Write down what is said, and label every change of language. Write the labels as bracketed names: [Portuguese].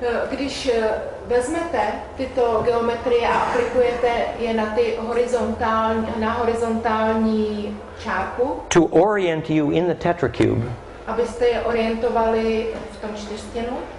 [Czech] Když vezmete tyto geometrie a aplikujete je na ty horizontální čárku, [English] to orient you in the tetracube, [Czech] abyste je orientovali v tom čtyřstěnu,